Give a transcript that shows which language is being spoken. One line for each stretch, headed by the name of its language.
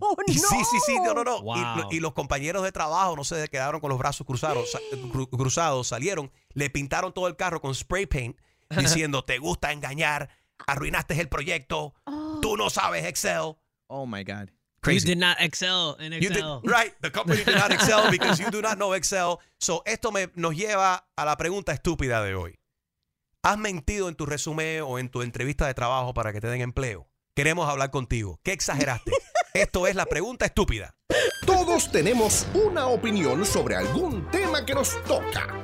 Spanish: Y, oh, no. Sí, no, no, no. Wow. Y los compañeros de trabajo no se quedaron con los brazos cruzados, cruzados, salieron, le pintaron todo el carro con spray paint diciendo, te gusta engañar, arruinaste el proyecto, tú no sabes Excel.
English: Oh, my God. Crazy. You did not excel in Excel. You did, right, the company did not excel because you do not know Excel.
Spanish: So esto nos lleva a la pregunta estúpida de hoy. ¿Has mentido en tu resumen o en tu entrevista de trabajo para que te den empleo? Queremos hablar contigo. ¿Qué exageraste? Esto es la pregunta estúpida. Todos tenemos una opinión sobre algún tema que nos toca.